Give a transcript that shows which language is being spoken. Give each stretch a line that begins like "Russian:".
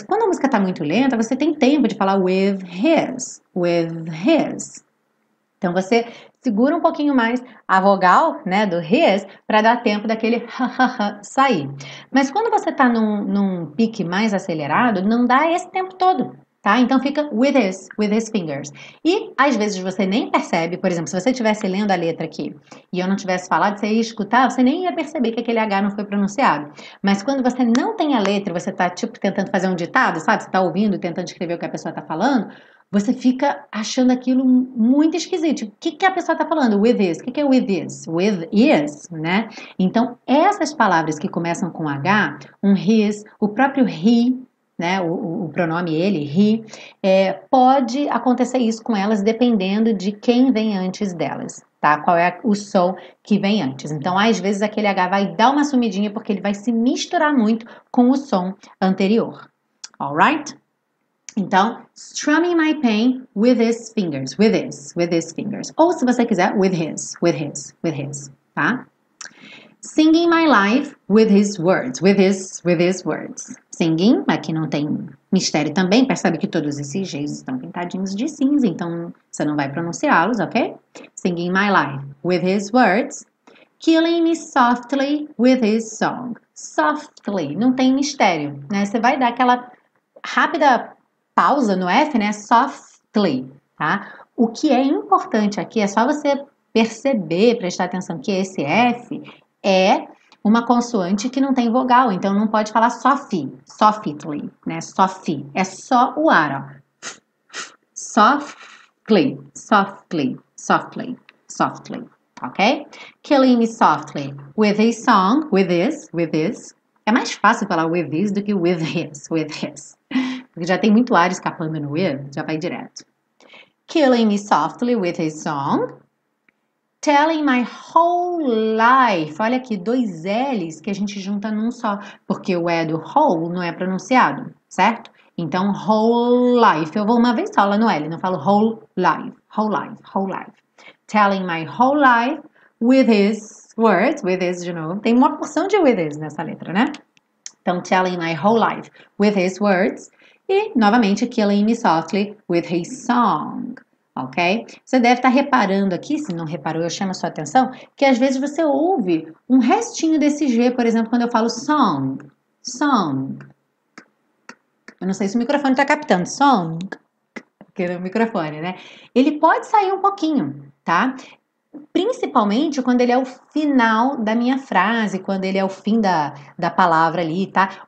Portuguese: Quando a música está muito lenta, você tem tempo de falar
English: with his, with his.
Portuguese: Então você segura um pouquinho mais a vogal, né, do his, para dar tempo daquele ha ha ha sair. Mas quando você está num pique mais acelerado, não dá esse tempo todo. Tá?
English: Então fica with his fingers.
Portuguese: E às vezes você nem percebe, por exemplo, se você estivesse lendo a letra aqui e eu não tivesse falado, você ia escutar, você nem ia perceber que aquele H não foi pronunciado. Mas quando você não tem a letra, você tá tipo tentando fazer um ditado, sabe? Você tá ouvindo, tentando escrever o que a pessoa tá falando, você fica achando aquilo muito esquisito. O que que a pessoa tá falando?
English: With this.
Portuguese: O que que é with this?
English: With is,
Portuguese: né? Então essas palavras que começam com H, um his, o próprio he, né, o pronome ele, he, pode acontecer isso com elas dependendo de quem vem antes delas, tá? Qual é o som que vem antes. Então, às vezes, aquele H vai dar uma sumidinha porque ele vai se misturar muito com o som anterior.
English: Alright?
Portuguese: Então,
English: strumming my pain with his fingers, with his fingers.
Portuguese: Ou, se você quiser,
English: with his,
Portuguese: tá?
English: Singing my life with his words, with his words.
Portuguese: Singing, aqui não tem mistério também, percebe que todos esses Gs estão pintadinhos de cinza, então você não vai pronunciá-los, ok?
English: Singing my life with his words. Killing me softly with his song.
Portuguese: Softly, não tem mistério, né? Você vai dar aquela rápida pausa no F, né? Softly, tá? O que é importante aqui é só você perceber, prestar atenção que esse F é uma consoante que não tem vogal, então não pode falar sofi, softly, né? Sofi, é só o ar, ó.
English: Softly, softly, softly, softly, ok? Killing me softly with his song, with his.
Portuguese: É mais fácil falar
English: with his
Portuguese: do que with his, porque já tem muito ar escapando no with, já vai direto.
English: Killing me softly with his song. Telling my whole life.
Portuguese: Olha aqui, dois L's que a gente junta num só, porque o E do whole não é pronunciado, certo? Então,
English: whole life.
Portuguese: Eu vou uma vez só lá no L, não falo whole life.
English: Whole life, whole life. Telling my whole life with his words. With his
Portuguese: de novo. Tem uma porção de with his nessa letra, né?
English: Então, telling my whole life with his words.
Portuguese: E, novamente,
English: killing me softly with his song. Ok?
Portuguese: Você deve estar reparando aqui, se não reparou, eu chamo a sua atenção, que às vezes você ouve um restinho desse G, por exemplo, quando eu falo song, song. Eu não sei se o microfone está captando, song, que é o microfone, né? Ele pode sair um pouquinho, tá? Principalmente quando ele é o final da minha frase, quando ele é o fim da palavra ali, tá?